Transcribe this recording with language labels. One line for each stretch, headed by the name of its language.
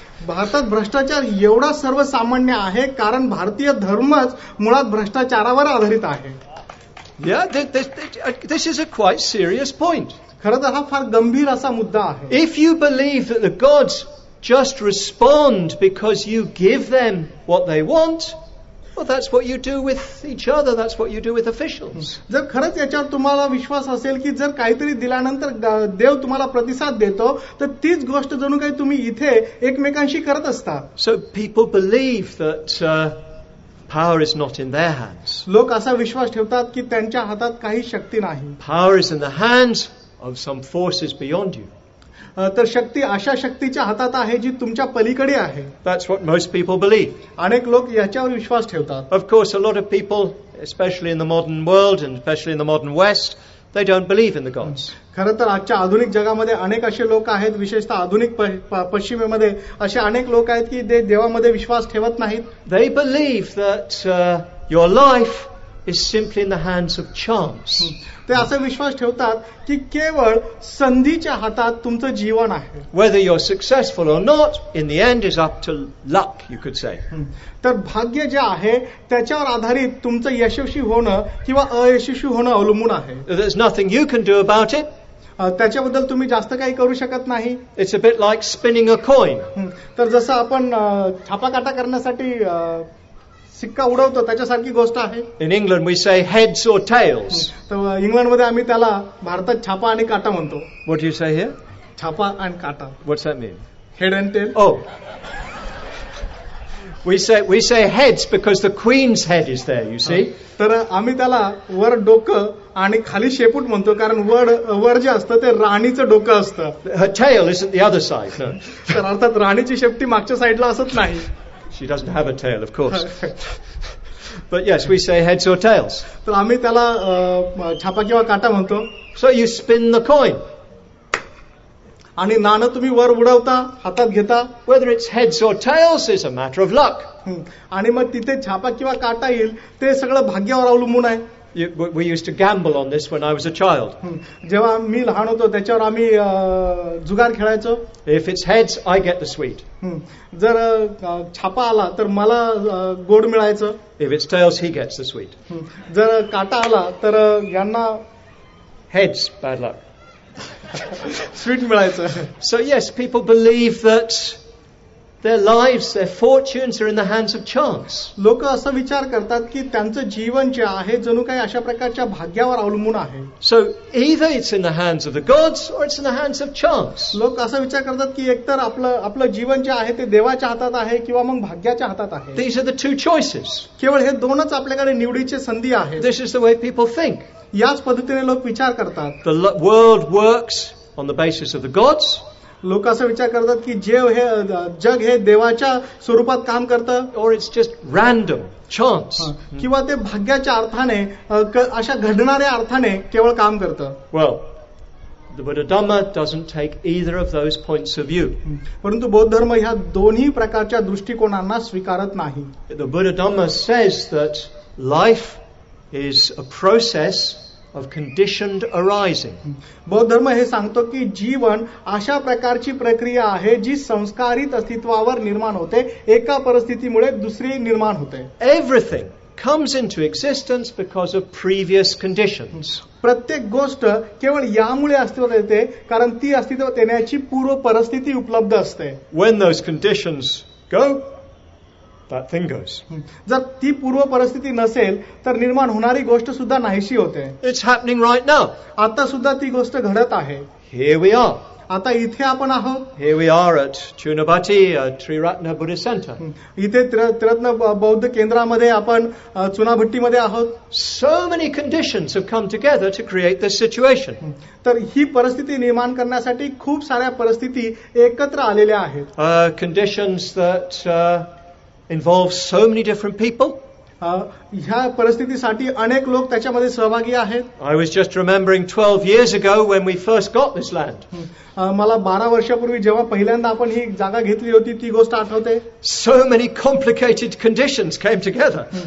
Marathi: भारतात भ्रष्टाचार एवढा सर्वसामान्य आहे कारण भारतीय धर्मच मुळात भ्रष्टाचारावर आधारित आहे.
English: Yeah, this is a quite serious point.
Marathi: खरं तर हा फार गंभीर असा मुद्दा आहे.
English: If you believe that the gods just respond because you give them what they want, well, that's what you do with each other, that's what you do with officials.
Marathi: जर खरंच याच्यावर तुम्हाला विश्वास असेल की जर काहीतरी दिल्यानंतर देव तुम्हाला प्रतिसाद देतो तर तीच गोष्ट जणू काही तुम्ही इथे एकमेकांशी करत असता.
English: So people believe that power is not in their hands.
Marathi: लोक असा विश्वास ठेवतात की त्यांच्या हातात काही शक्ती नाही.
English: Power is in the hands of some forces beyond you.
Marathi: तर शक्ती अशा शक्तीच्या हातात आहे जी तुमच्या पलीकडे आहे.
English: That's what most people believe.
Marathi: अनेक लोक याच्यावर विश्वास ठेवतात.
English: Of course, a lot of people, especially in the modern world and especially in the modern West, they don't believe in the gods.
Marathi: खरं तर आजच्या आधुनिक जगामध्ये अनेक असे लोक आहेत विशेषतः आधुनिक पश्चिमेमध्ये असे अनेक लोक आहेत की ते देवामध्ये विश्वास ठेवत नाहीत.
English: They believe that your life is simply in the hands of chance.
Marathi: ते असे विश्वास ठेवतात की केवळ संधीच्या हातात तुमचं जीवन आहे.
English: Whether you're successful or not, in the end, is up to luck, you could say.
Marathi: तर भाग्य जे आहे त्याच्यावर आधारित तुमचं यशस्वी होणं किंवा अयशस्वी होणं अवलंबून आहे.
English: There's nothing you can do about it.
Marathi: त्याच्याबद्दल तुम्ही जास्त काही करू शकत नाही.
English: It's a bit like spinning a coin.
Marathi: तर जसं आपण छापाकाटा करण्यासाठी सिक्का उडवतो त्याच्यासारखी गोष्ट आहे.
English: In England we say heads or tails.
Marathi: तर इंग्लंडमध्ये आम्ही त्याला भारतात छापा आणि काटा म्हणतो.
English: What you say here?
Marathi: छापा अँड काटा.
English: What's that mean? Head and tail. Oh, we say heads because the queen's head is there, you see.
Marathi: तर आम्ही त्याला वर डोकं आणि खाली शेपूट म्हणतो कारण वर जे असतं ते राणीचं डोकं असतं.
English: The other side.
Marathi: तर अर्थात राणीची शेपटी मागच्या साईडला असत नाही.
English: She doesn't have a tail, of course. But yes, we say heads or tails.
Marathi: तर आम्ही त्याला छापा किंवा काटा म्हणतो.
English: So you spin the coin.
Marathi: आणि नाणं तुम्ही वर उडवता हातात घेता.
English: Whether it's heads or tails is a matter of luck.
Marathi: आणि मग तिथे छापा किंवा काटा येईल ते सगळं भाग्यावर अवलंबून आहे.
English: We used to gamble on this when I was a child.
Marathi: जेव्हा मी लहान होतो त्याच्यावर आम्ही जुगार खेळायचो.
English: If it's heads, I get the sweet.
Marathi: जर छापा आला तर मला गोड मिळायचं.
English: If it's tails, he gets the sweet.
Marathi: जर काटा आला तर यांना
English: heads, bad luck.
Marathi: स्वीट मिळायचं.
English: So yes, people believe that their lives, their fortunes are in the hands of chance.
Marathi: लोक असं विचार करतात की त्यांचं जीवन जे आहे जणू काही अशा प्रकारच्या भाग्यावर अवलंबून आहे.
English: So either it's in the hands of the gods or it's in the hands of chance.
Marathi: लोक असा विचार करतात की एकतर आपलं जीवन जे आहे ते देवाच्या हातात आहे किंवा मग भाग्याच्या हातात आहे.
English: These are the two choices.
Marathi: केवळ हे दोनच आपल्याकडे निवडीचे संधी आहेत.
English: This is the way people think.
Marathi: याच पद्धतीने लोक विचार करतात.
English: The world works on the basis of the gods.
Marathi: लोक असं विचार करतात की जे हे जग हे देवाच्या स्वरूपात काम करतं.
English: Or it's just random chance.
Marathi: किंवा ते भाग्याच्या अर्थाने अशा घडणाऱ्या अर्थाने केवळ काम करतं.
English: Well, the Buddha Dhamma doesn't take either of those points of view.
Marathi: परंतु बौद्ध धर्म ह्या दोन्ही प्रकारच्या दृष्टिकोनांना स्वीकारत नाही.
English: The Buddha Dhamma says that life is a process of conditioned arising.
Marathi: बौद्ध धर्म हे सांगतो की जीवन अशा प्रकारची प्रक्रिया आहे जी संस्कारित अस्तित्वावर निर्माण होते. एका परिस्थितीमुळे दुसरी निर्माण होते.
English: Everything comes into existence because of previous conditions.
Marathi: प्रत्येक गोष्ट केवळ यामुळे अस्तित्वात येते कारण ती अस्तित्वात येण्याची पूर्व परिस्थिती उपलब्ध असते.
English: When those conditions go, that thing goes.
Marathi: जर ती पूर्व परिस्थिती नसेल तर निर्माण होणारी गोष्ट सुद्धा नाहीशी होते.
English: It's happening right now.
Marathi: आता सुद्धा ती गोष्ट घडत आहे.
English: Here we are.
Marathi: आता इथे आपण आहोत.
English: Here we are at Chunabati, Triratna Buddhist Center.
Marathi: इथे त्रिरत्न बौद्ध केंद्रामध्ये आपण चुनाभट्टीमध्ये आहोत.
English: So many conditions have come together to create this situation.
Marathi: तर ही परिस्थिती निर्माण करण्यासाठी खूप साऱ्या परिस्थिती एकत्र आलेल्या आहेत.
English: Conditions that involves so many different people.
Marathi: ह्या परिस्थितीसाठी अनेक लोक त्याच्यामध्ये सहभागी आहेत.
English: I was just remembering 12 years ago when we first got this land.
Marathi: मला 12 वर्षांपूर्वी जेव्हा पहिल्यांदा आपण ही जागा घेतली होती ती गोष्ट आठवते.
English: So many complicated conditions came together.